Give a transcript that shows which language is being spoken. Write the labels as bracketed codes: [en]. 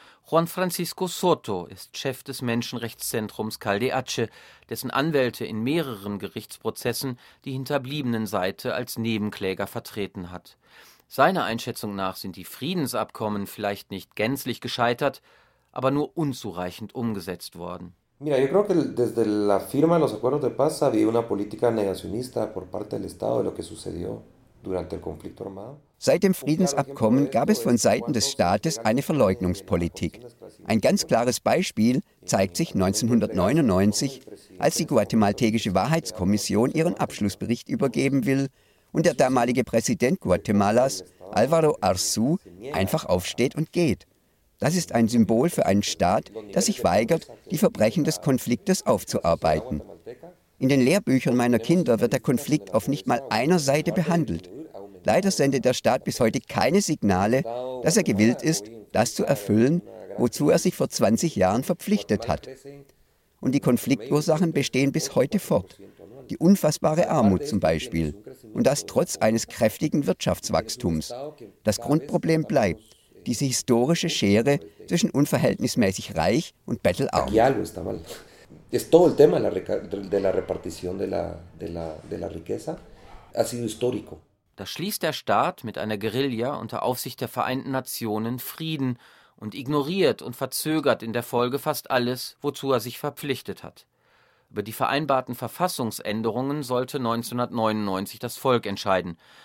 [de] Juan Francisco Soto ist Chef des Menschenrechtszentrums Caldeache, dessen Anwälte in mehreren Gerichtsprozessen die hinterbliebenen Seite als Nebenkläger vertreten hat. Seiner Einschätzung nach sind die Friedensabkommen vielleicht nicht gänzlich gescheitert, aber nur unzureichend umgesetzt worden. [es] Mira, yo creo que desde la firma de los acuerdos de paz había una política negacionista por parte del Estado de lo que sucedió durante el conflicto armado. [de] Seit dem Friedensabkommen gab es von Seiten des Staates eine Verleugnungspolitik. Ein ganz klares Beispiel zeigt sich 1999, als die guatemaltekische Wahrheitskommission ihren Abschlussbericht übergeben will und der damalige Präsident Guatemalas, Alvaro Arzu einfach aufsteht und geht. Das ist ein Symbol für einen Staat, der sich weigert, die Verbrechen des Konfliktes aufzuarbeiten. In den Lehrbüchern meiner Kinder wird der Konflikt auf nicht mal einer Seite behandelt. Leider sendet der Staat bis heute keine Signale, dass er gewillt ist, das zu erfüllen, wozu er sich vor 20 Jahren verpflichtet hat. Und die Konfliktursachen bestehen bis heute fort. Die unfassbare Armut zum Beispiel. Und das trotz eines kräftigen Wirtschaftswachstums. Das Grundproblem bleibt. Diese historische Schere zwischen unverhältnismäßig reich und bettelarm. [es] Hier algo está mal. Es todo el tema de la repartición de la riqueza ha sido histórico. [de] Da schließt der Staat mit einer Guerilla unter Aufsicht der Vereinten Nationen Frieden und ignoriert und verzögert in der Folge fast alles, wozu er sich verpflichtet hat. Über die vereinbarten Verfassungsänderungen sollte 1999 das Volk entscheiden.